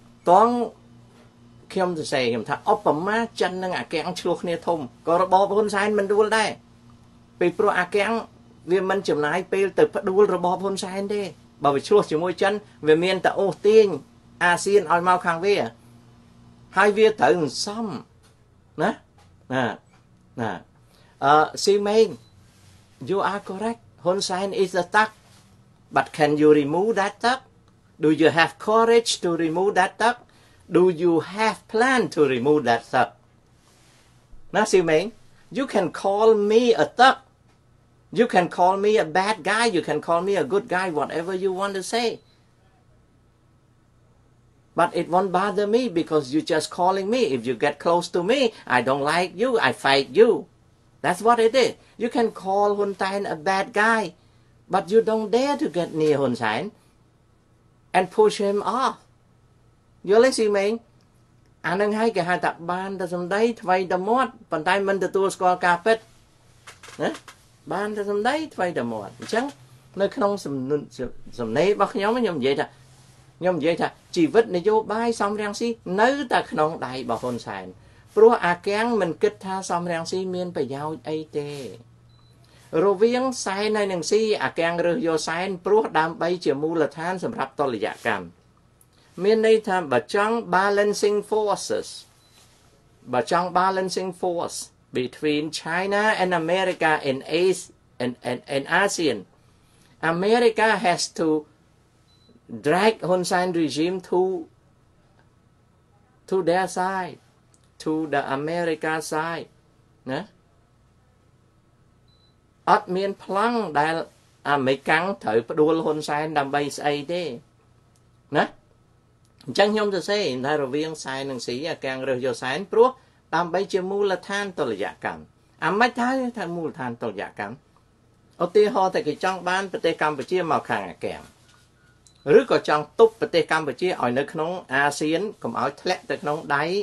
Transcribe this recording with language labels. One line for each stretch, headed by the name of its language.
Khmer: តောင်းខ្ញុំសរសេរខ្ញុំថាឧបមាចិននឹងអាកាំងឆ្លោះគ្នាធំក៏របបហ៊ុនសែនមិនដួលដែរពេលព្រោះអាកាំងវាមិនចំណាយពេលទៅផ្ដួលរបបហ៊ុនសែនទេបើវាឆ្លោះជាមួយចិនវាមានតែអូសទាញអាស៊ានឲ្យមកខាងវាហើយវាត្រូវសន្សំណាណាណាស៊ីមេង
English: you are correct
Khmer: ហ៊ុនសែន
English: is a tuckBut can you remove that duck? Do you have courage to remove that duck? Do you have plan to remove that duck? Now, see me? You can call me a duck. You can call me a bad guy. You can call me a good guy, whatever you want to say. But it won't bother me because you're just calling me. If you get close to me, I don't like you. I fight you. That's what it is. You can call Hun Tan a bad guy. But you don't dare to get near Hun Sen and push him off. You listen to me?
Khmer: អានឹងហើយគេហៅថាបានតែសំដីថ្មីតែមាត់ប៉ុន្តែមិនទទួលស្គាល់ការពិតណាបានតែសំដីថ្មីតែមាត់អញ្ចឹងនៅក្នុងសំណេររបស់ខ្ញុំនិយាយថាជីវិតនយោបាយសំរាំងស៊ីនៅតែក្នុងដៃរបស់ហ៊ុនសែនព្រោះអាកាំងមិនគិតថាសំរាំងស៊ីមានប្រយោជន៍អីទេ រវាងសែនហើយនឹងស៊ីអាកាំងរើសយកសែនព្រោះដើម្បីជាមូលដ្ឋានសម្រាប់តុល្យកម្មមានន័យថាបើចង់
English: balancing forces
Khmer: បើចង់
English: balancing force between China and America in Asia and ASEAN, America has to drag Hun Sen regime to their side, to the America side.
Khmer: ណាអត់មានប្លង់ដែលអាមេរិកាំងត្រូវផ្ដួលហ៊ុនសែនដើម្បីស្អីទេណាអញ្ចឹងខ្ញុំទៅសេថារវាងសែននិងស៊ីអាកាំងរើសយកសែនព្រោះដើម្បីជាមូលដ្ឋានតុល្យកម្មអាមេរិកាថាមូលដ្ឋានតុល្យកម្មឧទាហរណ៍តែគេចង់បានប្រទេសកម្ពុជាមកខាងអាកាំងឬក៏ចង់ទប់ប្រទេសកម្ពុជាឲ្យនៅក្នុងអាស៊ានកុំឲ្យធ្លាក់ទៅក្នុងដៃ